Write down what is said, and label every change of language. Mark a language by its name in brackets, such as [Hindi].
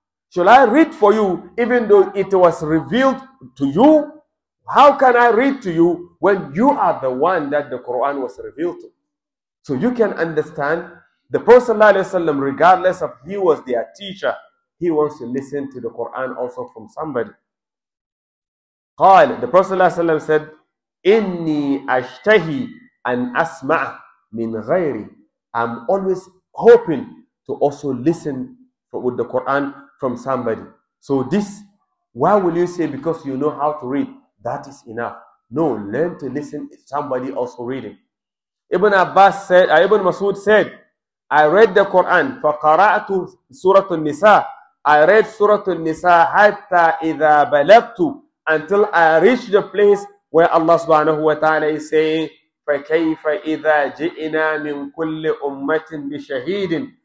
[English] Shall I read for you even though it was revealed to you? How can I read to you when you are the one that the Quran was revealed to? So you can understand, the Prophet ﷺ, regardless of he was their teacher, he wants to listen to the Quran also from somebody. [Arabic] قال, [English] the Prophet ﷺ said, [Arabic] إني أشتهي أن أسمع من غيري. [English] I'm always hoping to also listen with the Quran from somebody. So this, why will you say because you know how to read, that is enough? No, learn to listen to somebody also reading. Ibn Abbas said, Ibn Mas'ud said, I read the Quran, [Arabic] فَقَرَأْتُ سُورَةُ النِّسَاءِ. [English] I read Surah Al-Nisa, [Arabic] حَتَّى إِذَا بَلَغْتُ, [English] until I reached the place where Allah subhanahu wa ta'ala is saying, [Arabic] فَكَيْفَ إِذَا جِئِنَا مِنْ كُلِّ أُمَّةٍ بِشَهِيدٍ.